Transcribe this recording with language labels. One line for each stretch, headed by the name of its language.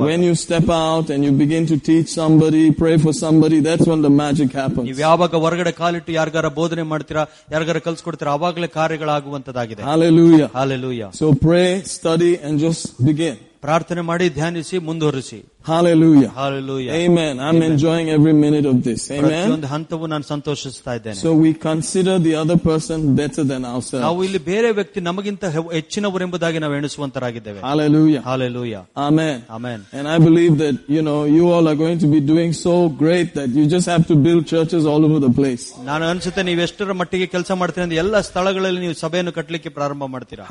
English: When you step out and you begin to teach somebody, pray for somebody, that's when the magic happens.
Kannada: ನೀವು ಯಾವಾಗ ಹೊರಗಡೆ ಕಾಲಿಟ್ಟು ಯಾರಿಗಾರ ಬೋಧನೆ ಮಾಡ್ತೀರಾ, ಯಾರಿಗಾರ ಕಲ್ಸ್ಕೊಡ್ತೀರಾ, ಆವಾಗಲೇ ಕಾರ್ಯಗಳಾಗುವಂತದಾಗಿದೆ.
English: Hallelujah. Hallelujah. So pray, study and just begin.
Kannada: ಪ್ರಾರ್ಥನೆ ಮಾಡಿ, ಧ್ಯಾನಿಸಿ, ಮುಂದುವರಿಸಿ.
English: Hallelujah. Hallelujah. Amen. I'm enjoying every minute of this. Amen.
Kannada: ಪ್ರತಿಯೊಂದು ಹಂತವೂ ನಾನು ಸಂತೋಷಿಸ್ತಾ ಇದ್ದೇನೆ.
English: So we consider the other person better than ourselves.
Kannada: ನಾವು ಇಲ್ಲಿ ಬೇರೆ ವ್ಯಕ್ತಿ ನಮಗಿಂತ ಹೆಚ್ಚಿನವರು ಎಂಬುದಾಗಿ ನಾವು ಎಣಿಸುವಂತರಾಗಿದ್ದೇವೆ.
English: Hallelujah. Hallelujah. Amen. Amen. And I believe that you all are going to be doing so great that you just have to build churches all over the place.
Kannada: ನಾನು ಅನ್ಸುತ್ತೆ ನೀವು ಎಷ್ಟರ ಮಟ್ಟಿಗೆ ಕೆಲಸ ಮಾಡ್ತೀರಿ ಅಂದ್ರೆ ಎಲ್ಲ ಸ್ಥಳಗಳಲ್ಲಿ ನೀವು ಸಭೆಯನ್ನು ಕಟ್ಟಲಿಕ್ಕೆ ಪ್ರಾರಂಭ ಮಾಡ್ತೀರಾ.